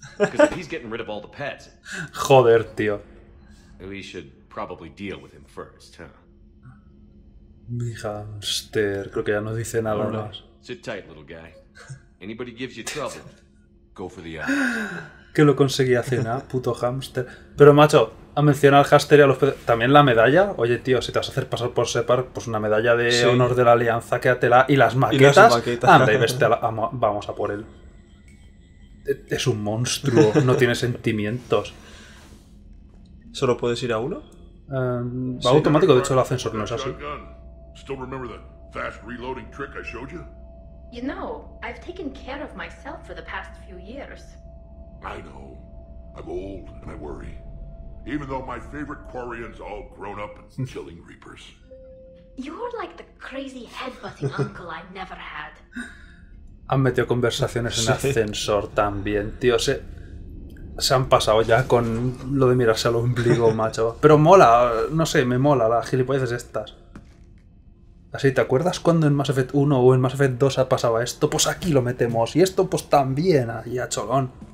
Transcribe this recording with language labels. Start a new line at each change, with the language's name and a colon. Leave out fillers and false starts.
English: Because he's getting rid of all the pets.
Spanish: Joder, tío.
English: We should probably deal with him first, huh?
Spanish: Mi hamster, creo que ya no dice nada más.
English: Sit tight, little guy. Anybody gives you trouble, go for the eyes.
Spanish: Que lo conseguí hace nada, puto hamster. Pero macho, ha mencionado al hamster y a los peces. También la medalla. Oye, tío, si te vas a hacer pasar por Separ, pues una medalla de honor de la Alianza, quédatela. Y las maquetas. Y las maquetas. Anda y veste vamos a por él. Es un monstruo, no tiene sentimientos. ¿Solo puedes ir a uno? Va automático, de hecho el ascensor no es así.
English: Still remember the fast reloading trick I showed you? You know, I've taken care of myself for the past few years. I know. I'm old and I worry. Even though my favorite Quarians all grown up and killing Reapers. You're like the crazy headbutting uncle I never had.
Spanish: Han metido conversaciones en ascensor también, tío. Se han pasado ya con lo de mirarse al ombligo, macho. Pero mola, no sé, me mola las gilipolleces estas. Así, ¿te acuerdas cuando en Mass Effect 1 o en Mass Effect 2 ha pasado esto? Pues aquí lo metemos. Y esto, pues también. Ahí a cholón.